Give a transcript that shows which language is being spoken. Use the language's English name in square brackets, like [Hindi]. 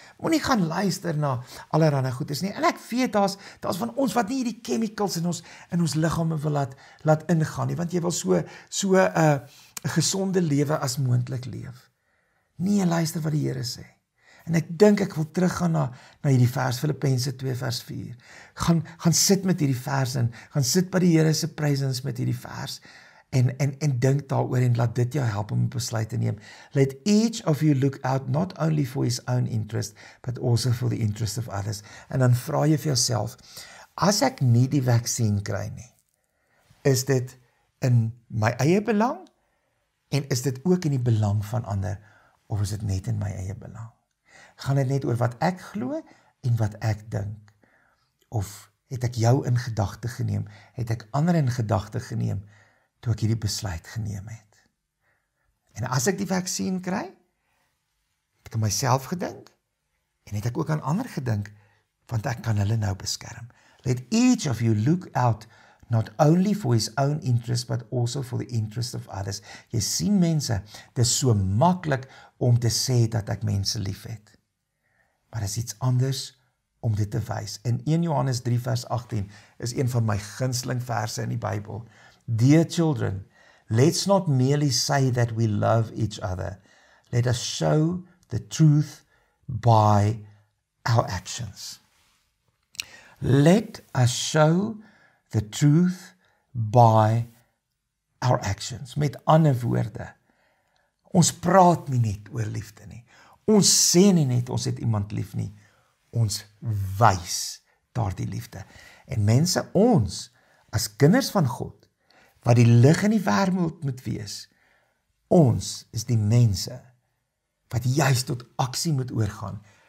[Afrikaans] Moenie gaan luister na allerlei goedes nie. En ek weet daar's van ons wat nie hierdie chemicals in ons liggame wil laat ingaan nie, want jy wil so 'n gesonde lewe as moontlik leef. Nee, luister wat die Here sê. En ek dink ek wil teruggaan na hierdie vers Filippense 2 vers 4. Gaan sit met hierdie vers en gaan sit by die Here se presence met hierdie vers. En dink daaroor en laat dit jou help om 'n besluit te neem. [English] Let each of you look out not only for his own interest, but also for the interest of others. [Afrikaans] En dan vra jy vir jouself, as ek nie die vaksin kry nie, is dit in my eie belang? En is dit ook in die belang van ander? Of is dit net in my eie belang? Gaan het net oor wat ek glo en wat ek dink? Of het ek jou in gedachte geneem? Het ek ander in gedachte geneem toe ek hierdie besluit geneem het? En as ek die vaksin kry, het ek aan myself gedink en het ek ook aan ander gedink, want ek kan hulle nou beskerm. [English] Let each of you look out not only for his own interest, but also for the interest of others. [Afrikaans] Jy sien mense, dit is so makkelijk om te sê dat ek mense lief het. Maar is iets anders om dit te wys. In 1 Johannes 3 vers 18 is een van my gunsteling verse in die Bybel. [English] Dear children, let's not merely say that we love each other. Let us show the truth by our actions. Let us show the truth by our actions. [Afrikaans] Met ander woorde, ons praat nie net oor liefde nie. Ons sê nie net, ons het iemand lief nie. Ons wys daar die liefde. En mense, ons, as kinders van God, wat die lig in die wêreld moet wees, ons is die mense, wat juist tot aksie moet oorgaan.